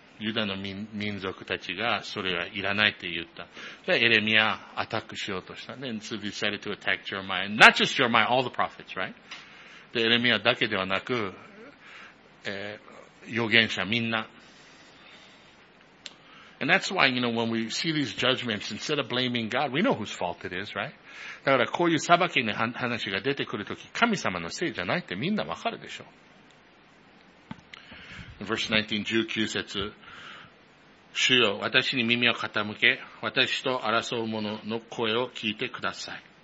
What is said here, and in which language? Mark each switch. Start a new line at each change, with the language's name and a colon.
Japanese: ユダの民族たちがそれはいらないって言った。じゃあエレミアアタックしようとした。
English: Then so they decided to attack Jeremiah. Not just Jeremiah, all the prophets, right?
Japanese: でエレミアだけではなく、預言者みんな。
English: And that's why, you know, when we see these judgments, instead of blaming God, we know whose fault it is, right?
Japanese: だからこういう裁きの話が出てくるとき、神様のせいじゃないってみんなわかるでしょ。
English: Verse 19, 19節、
Japanese: 主よ、私に耳を傾け、私と争う者の声を聞いてください。